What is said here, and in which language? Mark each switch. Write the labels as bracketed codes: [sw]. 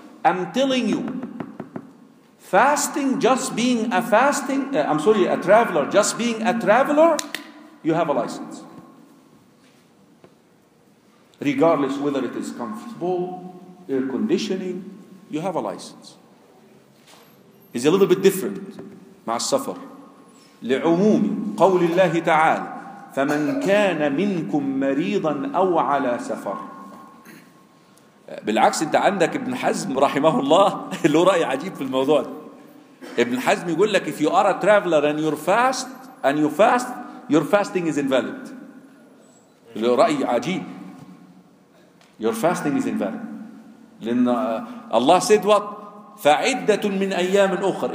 [en] I'm telling you, fasting, just being a fasting, a traveler, just being a traveler, you have a license. Regardless whether it is comfortable, air conditioning, you have a license. It's a little bit different. [ar] مع السفر. لعموم قول الله تعالى فمن كان منكم مريضا أو على سفر. بالعكس انت عندك ابن حزم رحمه الله له رأي عجيب في الموضوع ده. ابن حزم يقول لك [en] if you are a traveler and you're fast and you fast, your fasting is invalid. [ar] له رأي عجيب. [en] Your fasting is invalid. [ar] لأن الله [en] said what? [ar] فعدة من أيام أخر.